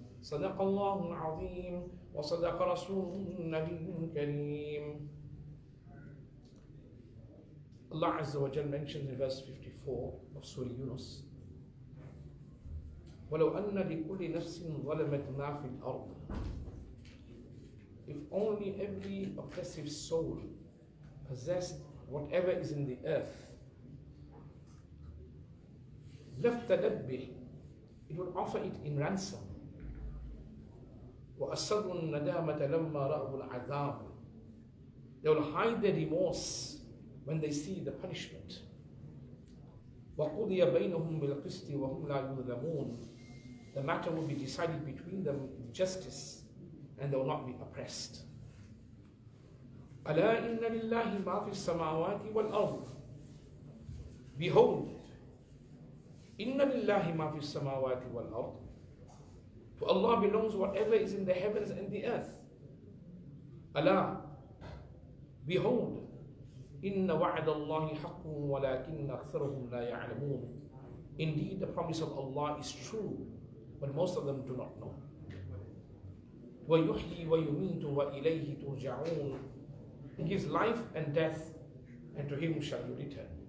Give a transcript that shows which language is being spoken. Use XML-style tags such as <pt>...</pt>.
<ar>صدق الله العظيم وصدق رسوله النبي الكريم. Allah عز وجل</ar> <en>mentions in verse 54 of Surah Yunus,</en> <ar>ولو أن لكل نفس ظلمت ما في الأرض.</ar> <en>If only every oppressive soul possessed whatever is in the earth, it would offer it in ransom.</en> <ar>وَأَسَرُوا النَّدَامَةَ لَمَّا رَأُوا الْعَذَابُ.</ar> <en>They will hide their remorse when they see the punishment.</en> <ar>وَقُضِيَ بَيْنَهُمْ بِالْقِسْطِ وَهُمْ لَا يُظْلَمُونَ.</ar> <en>The matter will be decided between them in justice and they will not be oppressed.</en> <ar>أَلَا إِنَّ لِلَّهِ مَا فِي السَّمَاوَاتِ وَالْأَرْضِ.</ar> <en>Behold,</en> <ar>إِنَّ لِلَّهِ مَا فِي السَّمَاوَاتِ وَالْأَرْضِ.</ar> <en>For Allah belongs whatever is in the heavens and the earth.</en> <ar>أَلَا</ar> <en>Behold,</en> <ar>إِنَّ وَعَدَ اللَّهِ حَقٌّ وَلَكِنَّ أَكْثَرُهُمْ لَا يَعْلَمُونَ.</ar> <en>Indeed, the promise of Allah is true, but most of them do not know.</en> <ar>وَيُحْيِي وَيُمِيتُ وَإِلَيْهِ تُرْجَعُونَ.</ar> <en>He gives life and death, and to him shall you return.</en>